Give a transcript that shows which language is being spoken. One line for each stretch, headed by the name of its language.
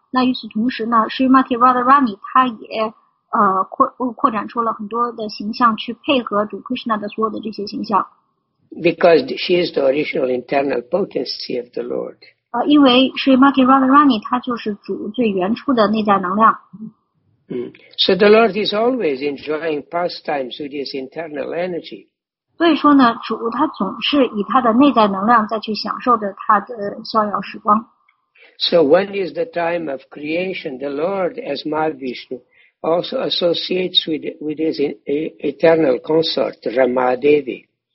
Chinese: 那与此同时呢， Srimati Radharani 他也扩展出了很多的形象去配合主 Krishna 的所有的这些形象。
English: Because she is the original internal potency of the Lord.
Chinese: 因为 Srimati Radharani 他就是主最原初的内在能量。
English: So the Lord is always enjoying pastimes with his internal energy.
Chinese: 所以说呢，主他总是以他的内在能量再去享受着他的逍遥时光。
English: So when is the time of creation, the Lord as Mahavishnu also associates with his eternal consort, Rama Devi.